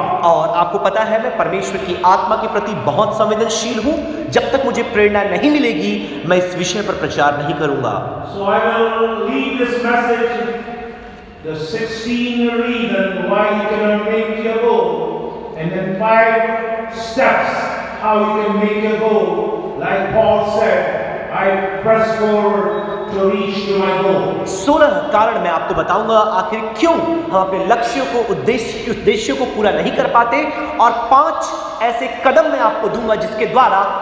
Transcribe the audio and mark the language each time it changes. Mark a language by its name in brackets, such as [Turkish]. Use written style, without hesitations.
[Hindi] और आपको पता है मैं परमेश्वर की आत्मा के प्रति बहुत संवेदनशील हूं जब तक मुझे प्रेरणा नहीं मिलेगी मैं इस विषय पर प्रचार नहीं करूंगा [English] The 16 reasons why you cannot make your goal, and then 5 steps how you can make your goal. Like Paul said, I press forward to reach to my goal. [Hindi] 16 कारण मैं आपको बताऊंगा आखिर क्यों हम अपने लक्ष्यों को उद्देश्यों को पूरा नहीं कर पाते और 5 ऐसे कदम मैं आपको दूंगा जिसके द्वारा